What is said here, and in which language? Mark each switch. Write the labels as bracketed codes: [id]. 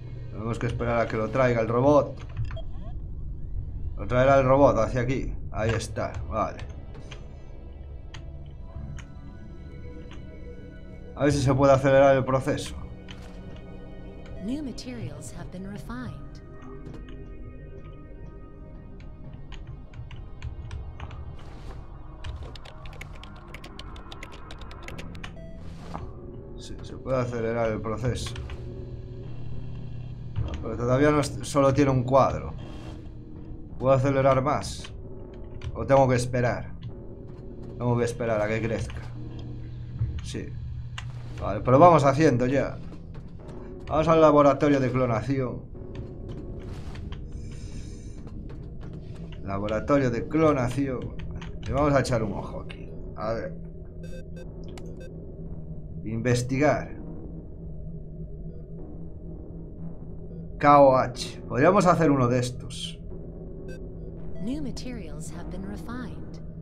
[es] Tenemos que esperar a que lo traiga el robot. Lo traerá el robot hacia aquí. Ahí está, vale. A ver si se puede acelerar el proceso. [en] New materials have been refined. [es] Sí, se puede acelerar el proceso. No, pero todavía no es, solo tiene un cuadro. ¿Puedo acelerar más? ¿O tengo que esperar? Tengo que esperar a que crezca. Sí. Vale, pero vamos haciendo ya. Vamos al laboratorio de clonación. Laboratorio de clonación. Y vamos a echar un ojo aquí. A ver. Investigar. KOH. Podríamos hacer uno de estos. [en] New materials have been refined.